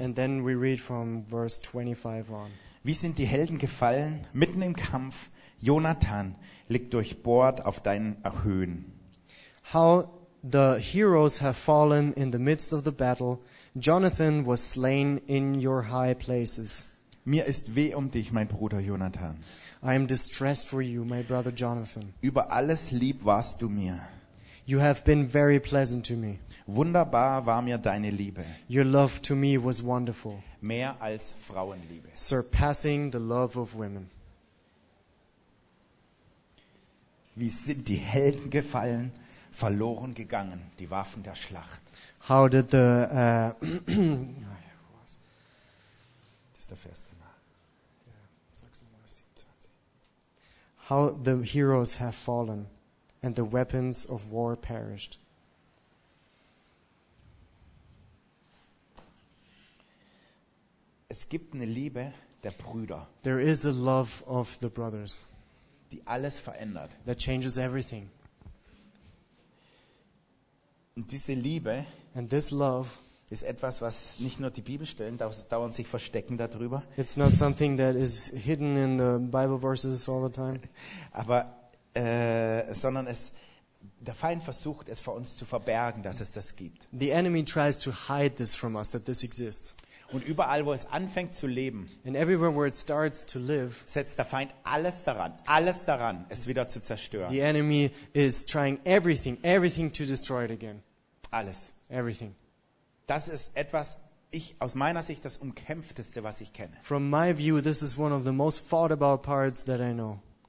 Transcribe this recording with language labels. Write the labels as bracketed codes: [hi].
[en] And then we read from verse 25 on. [de] Wie sind die Helden gefallen? Mitten im Kampf. Jonathan liegt durchbohrt auf deinen Höhen. [en] How the heroes have fallen in the midst of the battle. Jonathan was slain in your high places. [de] Mir ist weh um dich, mein Bruder Jonathan. [en] I am distressed for you, my brother Jonathan. [de] Über alles lieb warst du mir. [en] You have been very pleasant to me. [de] Wunderbar war mir deine Liebe. [en] Your love to me was wonderful. [de] Mehr als Frauenliebe. [en] Surpassing the love of women. [de] Wie sind die Helden gefallen? Verloren gegangen, die Waffen der Schlacht. [en] How did the [de] das ist der Vers danach. [en] How the heroes have fallen and the weapons of war perished. [de] Es gibt eine Liebe der Brüder. [en] There is a love of the brothers. [de] Die alles verändert. [en] That changes everything. [de] Und diese Liebe [en] and this love [de] ist etwas, was nicht nur die Bibelstellen dauernd sich verstecken darüber. [en] It's not something that is hidden in the Bible verses all the time. [de] Aber sondern es der Feind versucht es vor uns zu verbergen, dass es das gibt. [en] The enemy tries to hide this from us that this exists. [de] Und überall, wo es anfängt zu leben, [en] and everywhere where it starts to live, [de] setzt der Feind alles daran, es wieder zu zerstören. [en] The enemy is trying everything to destroy it again. [de] Alles. [en] Everything. [de] Das ist etwas, ich aus meiner Sicht das umkämpfteste, was ich kenne. [en] From my view, this is one of the most fought about parts that I know.